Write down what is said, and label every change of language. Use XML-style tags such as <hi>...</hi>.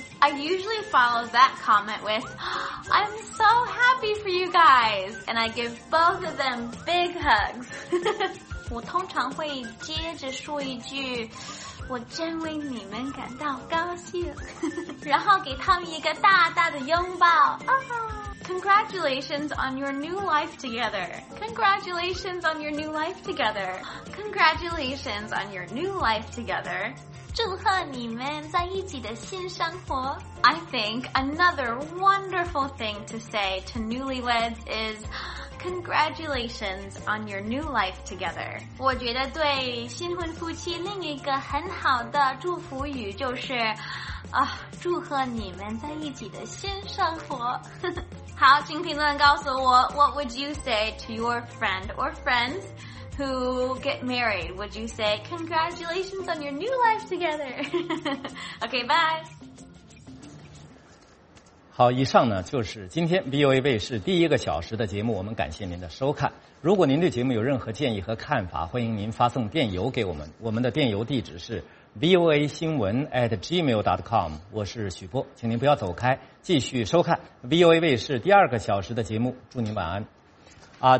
<en>I usually follow that comment with, I'm so happy for you guys. And I give both of them big hugs.</en> <zh>我通常会接着说一句，我真为你们感到高兴。然后给他们一个大大的拥抱。</zh> <en>Congratulations on your new life together. Congratulations on your new life together. Congratulations on your new life together.</en> <zh>祝贺你们在一起的新生活。</zh> <en>I think another wonderful thing to say to newlyweds is Congratulations on your new life together.</en> <zh>我觉得对新婚夫妻另一个很好的祝福语就是祝贺你们在一起的新生活。好，请评论告诉我</zh> <en>What would you say to your friend or friends who get married? Would you say congratulations on your new life together? Okay, bye.</en> <zh>好，以上呢就是今天 BOA 卫视第一个小时的节目，我们感谢您的收看。如果您对节目有任何建议和看法，欢迎您发送电邮给我们，我们的电邮地址是voa新闻@gmail.com。我是许波，请您不要走开，继续收看 VOA 卫视第二个小时的节目，祝您晚安。</zh>